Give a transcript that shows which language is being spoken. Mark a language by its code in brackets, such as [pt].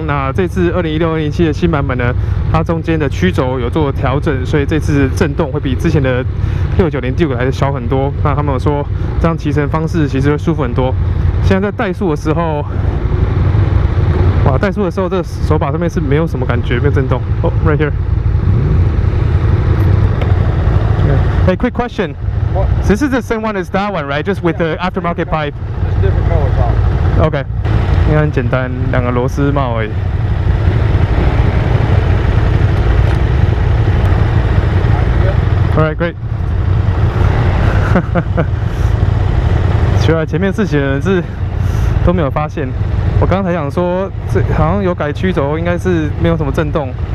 [zh] 那这次2016-2017的新版本呢，它中间的曲轴有做调整，所以这次震动会比之前的690 Duke 来的小很多。那他们有说这样骑乘方式其实会舒服很多。现在在怠速的时候，哇，怠速的时候这个手把上面是没有什么感觉，没有震动。哦、oh, ， [en] right here。 Hey, quick question. What? This is the same one as that one, right? Just with the aftermarket pipe. Just different color pipe. Okay. [zh] 应该很简单，两个螺丝帽而已。 [en] All right, great. [zh] 奇怪，前面事情是都没有发现。我刚才想说，这好像有改曲轴，应该是没有什么震动。